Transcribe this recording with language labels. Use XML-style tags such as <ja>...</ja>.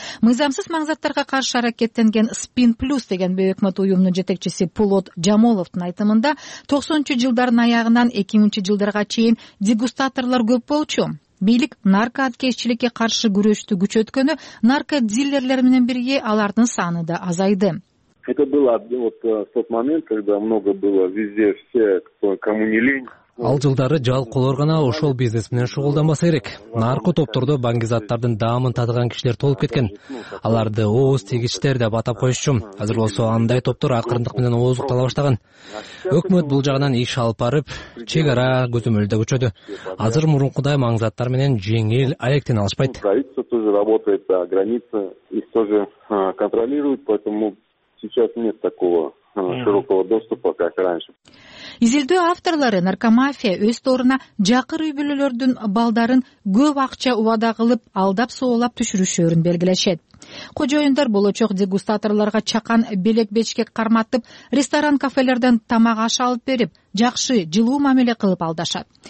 <ky>Мыйзамсыз маңзаттарга каршы аракеттенген Spin Plus деген бөйөкмөт уюмунун жетекчиси Пулот Жамоловдун айтымында 90-чу жылдардын аягынан 2000-чү жылдарга чейин дегустаторлор көп болчу. Бийлик наркоаткезчиликке каршы күрөштү күчөткөнү, наркодилерлер менен бирге алардын саны да азайды.</ky> <ru>Это было вот тот момент, когда много было везде все, кому не лень.</ru> <ky>Ал жылдары жалкоолор гана ошол бизнес менен шугулданбаса керек. Наркотоптордо бангизаттардын даамын татыган кишилер толуп кеткен. Аларды ооз тийгичтер деп атап коюшчу. Азыр болсо андай топтор акырындык менен ооздуктала баштаган. Өкмөт бул жагынан иш алып барып, чек ара көзөмөлү да күчөдү. Азыр мурункудай маңзаттар менен жеңил алектене алышпайт.</ky> <ru>Правительство тоже работает, а граница их тоже контролирует, поэтому сейчас нет такого широкого доступа, как раньше.</ru> <ky>Изилдөө авторлары наркомафия өз торуна жакыр үй бүлөлөрдүн балдарын көп акча убада кылып алдап соолап түшүрүшөрүн белгилешет. Кожоюндар болочок дегустаторлорго чакан белек бечкек карматып, ресторан кафелерден тамак аш алып берип, жакшы жылуу мамиле кылып алдашат.</ky>